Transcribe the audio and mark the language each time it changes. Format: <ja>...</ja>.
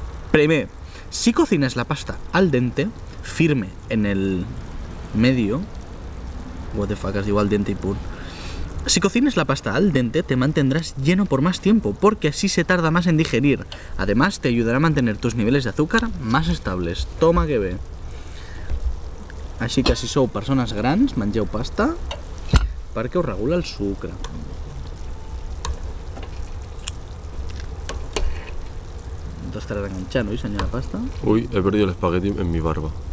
<es>Primer, si cocinas la pasta al dente, firme en el medio,</es> <en>what the fuck,</en> <es>es igual dente y pun. Si cocinas la pasta al dente, te mantendrás lleno por más tiempo, porque así se tarda más en digerir. Además, te ayudará a mantener tus niveles de azúcar más estables. Toma que ve.</es> <ca>Així que si sou persones grans, mengeu pasta perquè us regula el sucre. No t'estaràs enganxant, oi, senyora pasta?</ca> <es>Ui, he perdido el espagueti en mi barba.</es>